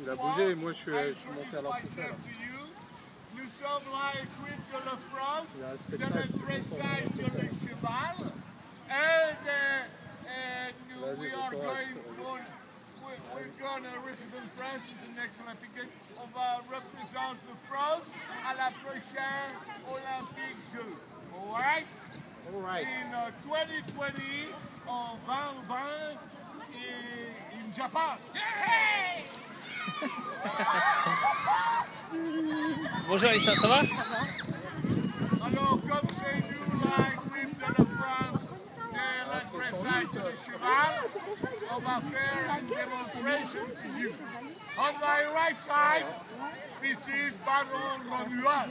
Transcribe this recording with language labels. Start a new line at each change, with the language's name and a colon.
French: Il a bougé, et moi, je suis monté à la société. Nous sommes là, équipe de la France, de la dressage de le cheval, et nous,
English: we are going on, we're going to represent France to the next Olympics.
French: On va représenter la France à la prochaine Olympique Jeux.
English: Alright? Alright. In 2020,
French: en 2020,
English: in Japan.
French: Bonjour Alicia, ça va? Alors, comme c'est nous, la grippe de la France et la dressage de cheval, on va faire une démonstration pour vous.
English: On my right side, this is Baron Romuald.